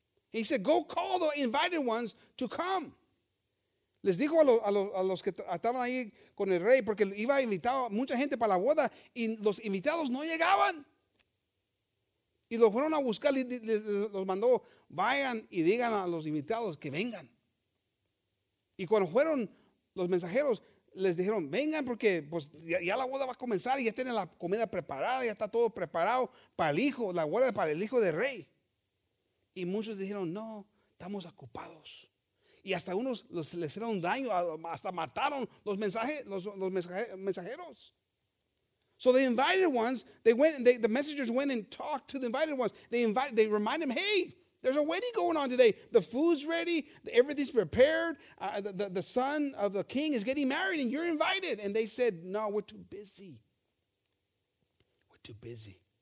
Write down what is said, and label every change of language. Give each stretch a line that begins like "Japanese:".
English: He said, go call the invited ones to come.
Spanish: Les dijo a los que estaban ahí con el rey, porque iba a invitar mucha gente para la boda, y los invitados no llegaban. Y los fueron a buscar, los mandó, vayan y digan a los invitados que vengan. Y cuando fueron los mensajeros, les dijeron, vengan porque pues, ya la boda va a comenzar y ya tienen la comida preparada, ya está todo preparado para el hijo, la boda para el hijo del rey. Y muchos dijeron, no, estamos ocupados. Y hasta unos les hicieron daño, hasta mataron los mensajeros.
English: So the invited ones, the messengers went and talked to the invited ones. They reminded them, hey, there's a wedding going on today. The food's ready. Everything's prepared. The son of the king is getting married and you're invited. And they said, no, we're too busy. We're too busy.